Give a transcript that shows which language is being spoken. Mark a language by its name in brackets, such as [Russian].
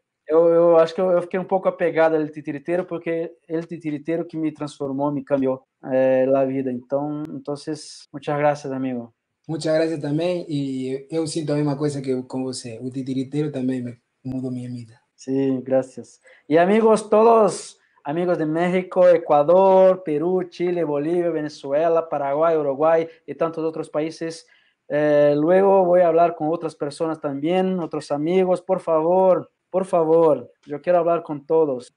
[Portuguese] Eu acho que eu fiquei um pouco apegado a El Titiriteiro, porque El Titiriteiro que me transformou, me cambiou a vida. Então, vocês, muitas graças, amigo. Muitas graças também, e eu sinto a mesma coisa que eu com você. O titiriteiro também me mudou minha vida. Sim, graças. E amigos, todos, amigos de México, Ecuador, Peru, Chile, Bolívia, Venezuela, Paraguai, Uruguai e tantos outros países, [Spanish] luego voy a hablar con otras personas también, otros amigos, por favor. [Portuguese] Por favor, eu quero falar com todos.